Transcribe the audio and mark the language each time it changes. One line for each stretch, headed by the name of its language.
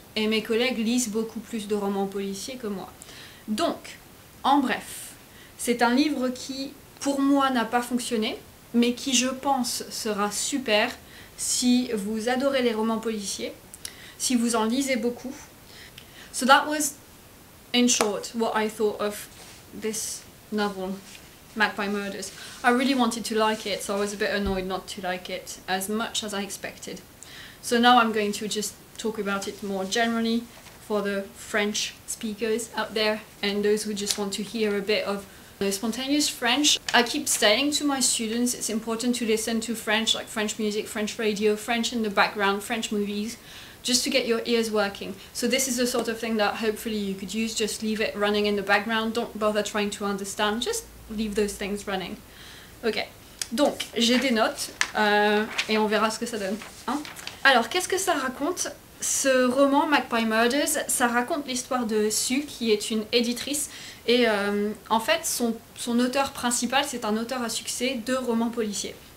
French: Et mes collègues lisent beaucoup plus de romans policiers que moi. Donc, en bref, c'est un livre qui, pour moi, n'a pas fonctionné, mais qui, je pense, sera super si vous adorez les romans policiers, si vous en lisez beaucoup.
English: So that was, in short, what I thought of this novel, Magpie Murders. I really wanted to like it, so I was a bit annoyed not to like it as much as I expected. So now I'm going to just talk about it more generally for the French speakers out there and those who just want to hear a bit of the spontaneous French. I keep saying to my students it's important to listen to French, like French music, French radio, French in the background, French movies, just to get your ears working. So this is the sort of thing that hopefully you could use, just leave it running in the background, don't bother trying to understand, just leave those things running.
French: Ok, donc j'ai des notes, et on verra ce que ça donne. Hein? Alors qu'est-ce que ça raconte? Ce roman, Magpie Murders, ça raconte l'histoire de Sue, qui est une éditrice, et en fait son auteur principal, c'est un auteur à succès de romans policiers.